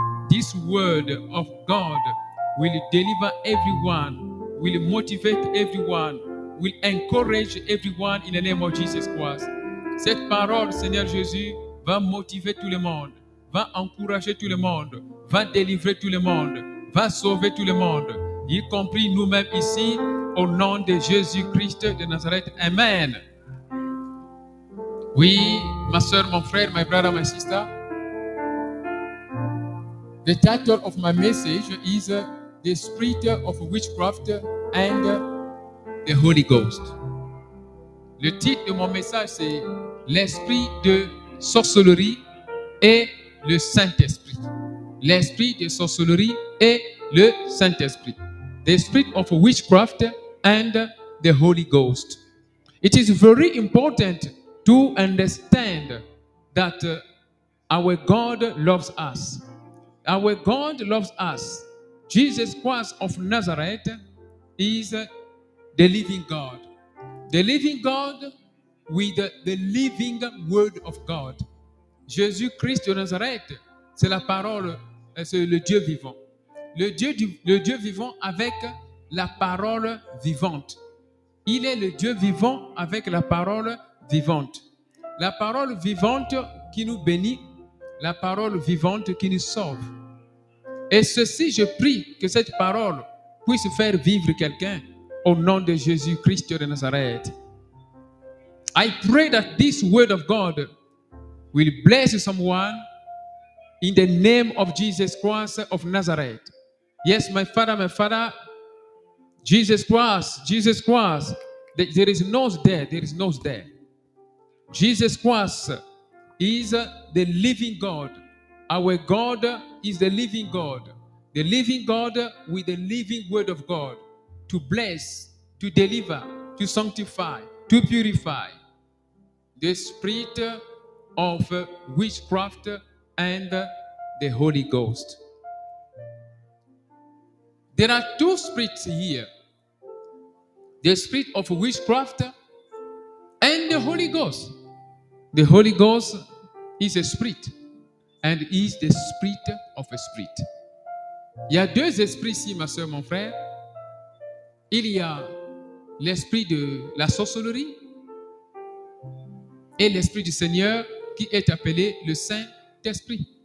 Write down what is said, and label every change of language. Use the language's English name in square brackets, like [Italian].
[English] This word of God will deliver everyone, will motivate everyone, will encourage everyone in the name of Jesus Christ. [French] Cette parole, Seigneur Jésus, va motiver tout le monde. Va encourager tout le monde, va délivrer tout le monde, va sauver tout le monde, y compris nous-mêmes ici, au nom de Jésus-Christ de Nazareth. Amen. Oui, ma soeur, mon frère, [English] my brother, my sister. The title of my message is The Spirit of Witchcraft and the Holy Ghost. [French] Le titre de mon message, c'est L'Esprit de Sorcellerie et le Saint-Esprit. L'esprit de sorcellerie et le Saint-Esprit. The spirit of witchcraft and the Holy Ghost. [English] It is very important to understand that our God loves us. Our God loves us. Jesus Christ of Nazareth is the living God. The living God with the living Word of God. [French] Jésus-Christ de Nazareth, c'est la parole, c'est le Dieu vivant. Le Dieu vivant avec la parole vivante. Il est le Dieu vivant avec la parole vivante. La parole vivante qui nous bénit, la parole vivante qui nous sauve. Et ceci, je prie que cette parole puisse faire vivre quelqu'un au nom de Jésus-Christ de Nazareth. [English] I pray that this word of God will bless someone in the name of Jesus Christ of Nazareth. Yes, my father, Jesus Christ, there is no there, there is no there. Jesus Christ is the living God. Our God is the living God. The living God with the living word of God to bless, to deliver, to sanctify, to purify. The Spirit of witchcraft and the Holy Ghost. There are two spirits here. The spirit of witchcraft and the Holy Ghost. The Holy Ghost is a spirit and is the spirit of a spirit. [French] Il y a deux esprits ici, ma soeur, mon frère. Il y a l'esprit de la sorcellerie et l'esprit du Seigneur qui est appelé le Saint-Esprit.